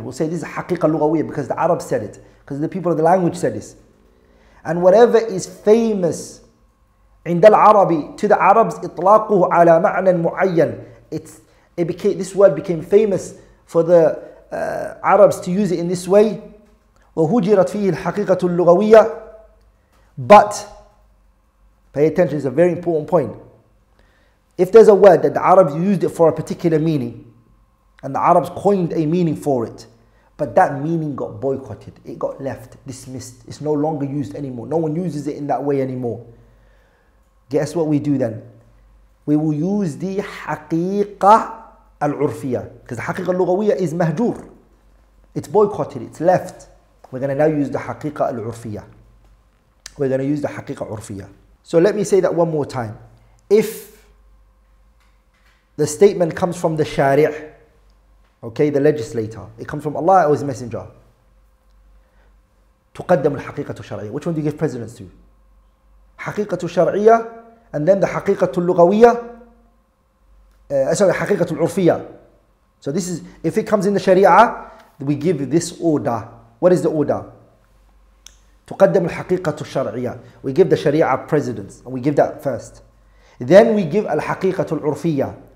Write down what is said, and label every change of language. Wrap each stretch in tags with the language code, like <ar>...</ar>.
<en>We'll say this is haqiqa lughawiyya because the Arabs said it, because the people of the language said this. And whatever is famous</en> <ar>عند العربي</ar> <en>to the Arabs,</en> <ar>إطلاقه على معنى معين.</ar> <en>This word became famous for the Arabs to use it in this way.</en> <ar>وهجرت فيه الحقيقة اللغوية.</ar> <en>But, pay attention, it's a very important point. If there's a word that the Arabs used it for a particular meaning, and the Arabs coined a meaning for it, but that meaning got boycotted, it got left, dismissed, it's no longer used anymore, no one uses it in that way anymore. Guess what we do then? We will use the haqiqa al-urfiyya, because the haqiqa al-lughawiyya is mahjur. It's boycotted, it's left. We're going to now use the haqiqa al-urfiyya. We're going to use the haqiqa al-urfiyya. So let me say that one more time. If the statement comes from the shari'ah, okay, the legislator, it comes from Allah or His Messenger,</en> <ar>تقدم الحقيقة الشرعية.</ar> <en>Which one do you give precedence to?</en> <ar>حقيقة الشرعية</ar> <en>and then the</en> <ar>حقيقة اللغوية. Sorry, حقيقة العرفية.</ar> <en>So this is, if it comes in the Sharia, we give this order. What is the order?</en> <ar>تقدم الحقيقة الشرعية.</ar> <en>We give the Sharia precedence and we give that first. Then we give الحقيقة العرفية.</en>